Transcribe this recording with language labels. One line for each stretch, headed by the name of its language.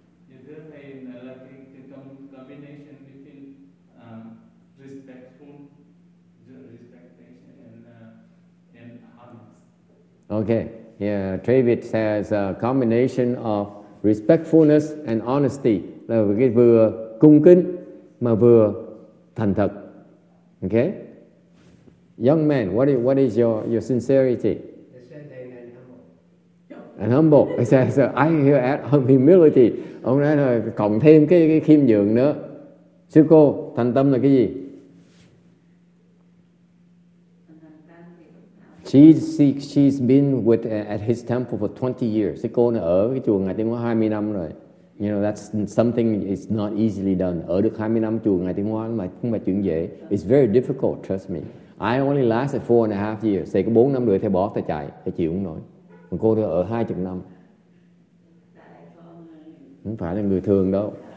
English: Is there a combination between respectation and honest? Okay. Yeah, Travis says a combination of respectfulness and honesty.
Vietnamese: Là cái vừa cung kính mà vừa thành thật. Okay?
English: Young man, what is your sincerity? And humble, so I hear add humility.
Vietnamese: Ông nói là cộng thêm cái khiêm nhường nữa. Sư cô, thành tâm là cái gì?
English: She's been with at his temple for 20 years.
Vietnamese: Sư cô nó ở cái chùa Ngài Tiếng Hoa 20 năm rồi.
English: You know, that's something is not easily done.
Vietnamese: Ở được 20 năm chùa Ngài Tiếng Hoa mà không phải chuyện dễ.
English: It's very difficult, trust me. I only lasted 4.5 years.
Vietnamese: Thầy có 4 năm rưỡi thầy bỏ thầy chạy, thầy chịu không nổi. Còn cô thì ở 20 năm. Không phải là người thường đâu.